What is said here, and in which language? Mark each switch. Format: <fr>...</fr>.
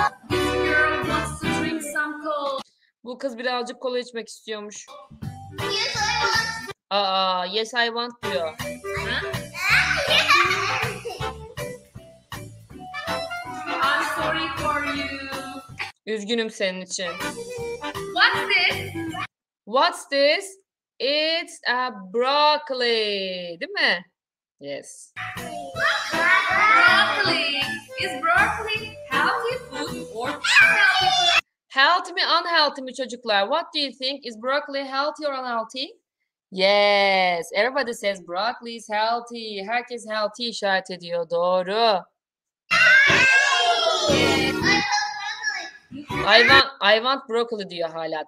<en>This girl wants to drink some Coke.</en> <tr>Bu kız birazcık kola içmek istiyormuş.</tr> <en>Yes, I want. Aa, yes, I want</en> <tr>diyor.</tr> <en>I'm sorry for you.</en> <tr>Üzgünüm senin için.</tr> <en>What's this? What's this? It's a broccoli.</en> <tr>Değil mi?</tr> <en>Yes. Broccoli. Is broccoli healthy food or unhealthy? Healthy</en> <tr>mi,</tr> <en>unhealthy</en> <tr>mi çocuklar?</tr> <en>What do you think? Is broccoli healthy or unhealthy? Yes. Everybody says broccoli is healthy.</en> <tr>Herkes healthy işaret ediyor. Doğru.</tr> <en>I want broccoli</en> <tr>diyor hala.</tr>